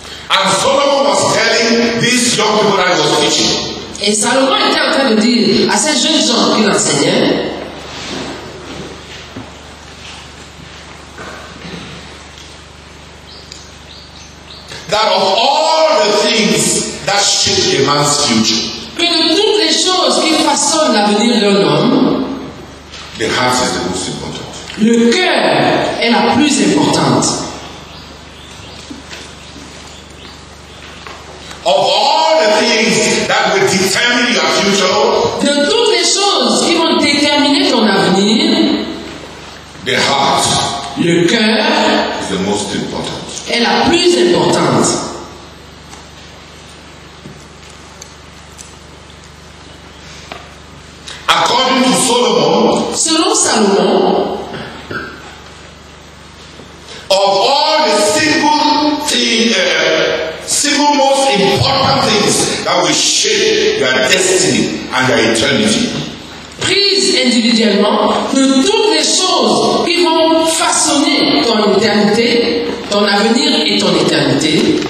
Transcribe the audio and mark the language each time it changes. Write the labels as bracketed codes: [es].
[en] And Solomon was telling these young people that he was teaching. [fr] Et Salomon était en train de dire à ces jeunes gens qu'il enseignait. [en] That of all the things that shape a man's future. [fr] Que de toutes les choses qui façonnent l'avenir d'un homme. [en] The heart is the most important. [fr] Le cœur est la plus importante. [en] Of all the things that will determine your future, [fr] de toutes les choses qui vont déterminer ton avenir, [en] the heart, [fr] le cœur, [en] is the most important. [fr] Est la plus importante. [en] According to Solomon, [fr] selon Salomon, [en] of all the single things, single most important things that will shape their destiny and their eternity. [fr] Prises individuellement de toutes les choses qui vont façonner ton éternité, ton avenir et ton éternité.